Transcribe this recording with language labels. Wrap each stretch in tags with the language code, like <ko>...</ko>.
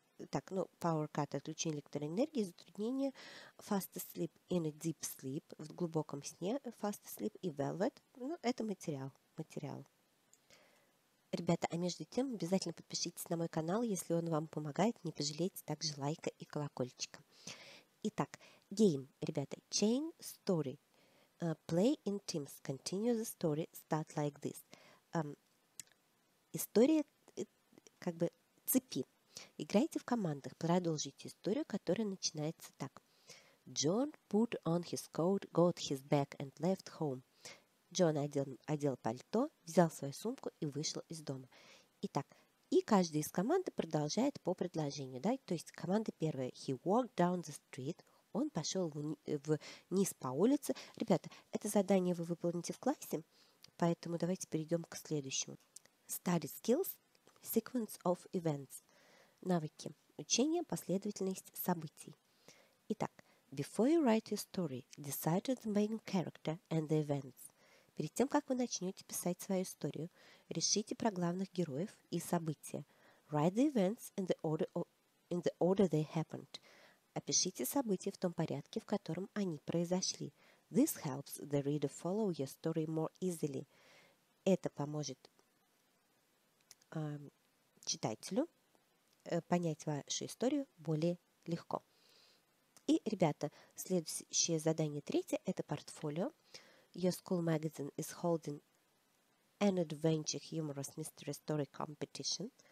<ru>Так, ну,</ru> <en>power cut,</en> <ru>отключение электроэнергии, затруднение,</ru> <en>fast asleep, in a deep sleep,</en> <ru>в глубоком сне, fast asleep и velvet, ну, это материал, материал. Ребята, а между тем, обязательно подпишитесь на мой канал, если он вам помогает, не пожалейте также лайка и колокольчика. Итак,</ru> <en>game,</en> <ru>ребята,</ru> <en>chain, story, play in teams, continue the story, start like this.</en> <ru>История, как бы, цепи. Играйте в командах, продолжите историю, которая начинается так.</ru> <en>John put on his coat, got his bag and left home.</en> <ru>Джон одел пальто, взял свою сумку и вышел из дома. Итак, и каждый из команды продолжает по предложению, да? То есть команда первая.</ru> <en>He walked down the street.</en> <ru>Он пошел вниз по улице. Ребята, это задание вы выполните в классе, поэтому давайте перейдем к следующему.</ru> <en>Study skills. Sequence of events.</en> <ru>Навыки. Учение. Последовательность событий. Итак,</ru> <en>before you write your story, decide on the main character and the events.</en> <ru>Перед тем, как вы начнете писать свою историю, решите про главных героев и события.</ru> <en>Write the events in the order they happened.</en> <ru>Опишите события в том порядке, в котором они произошли.</ru> <en>This helps the reader follow your story more easily.</en> <ru>Это поможет читателю понять вашу историю более легко. И, ребята, следующее задание, третье, это портфолио.</ru> <en>Your school magazine is holding an adventure humorous mystery story competition.</en>